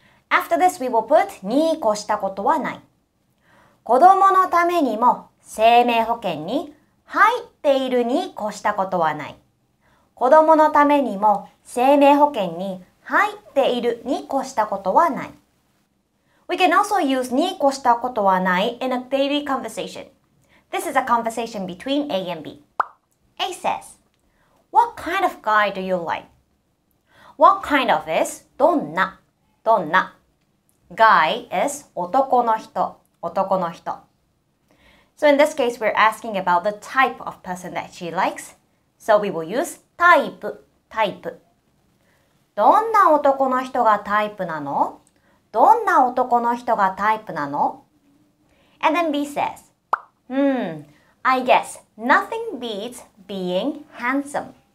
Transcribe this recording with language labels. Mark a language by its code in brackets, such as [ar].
[en] After this, we will put [ja] に越したことはない。子供のためにも生命保険に入っているに越したことはない。子供のためにも生命保険に入っているに越したことはない。 [en] We can also use [ja] に越したことはない [en] in a daily conversation. This is a conversation between A and B. A says, What kind of guy do you like? What kind of is [ja] どんな、どんな。 [en] Guy is [ja] 男の人、男の人。 [en] So in this case, we're asking about the type of person that she likes. So we will use [ja] タイプ、タイプ。どんな男の人がタイプなの?どんな男の人がタイプなの? [en] And then B says, I guess nothing beats being handsome.